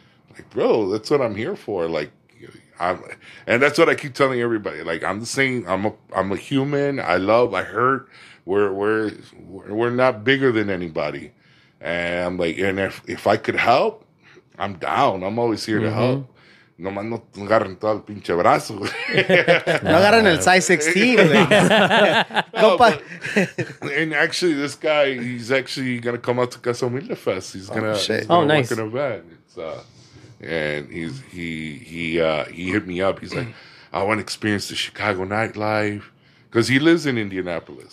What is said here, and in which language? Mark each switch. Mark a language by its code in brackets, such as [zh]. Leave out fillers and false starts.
[en] Like, bro, that's what I'm here for. Like, and that's what I keep telling everybody. Like I'm the same. I'm a human. I love. I hurt. We're not bigger than anybody. And I'm like, and if I could help, I'm down. I'm always here to help. [es] No man, no agarren todo el pinche brazo. No agarren el size 16. [en] And actually, this guy, he's actually gonna come out to Casa Humilde Fest. Work in a van. And he hit me up. He's like, I want to experience the Chicago nightlife because he lives in Indianapolis.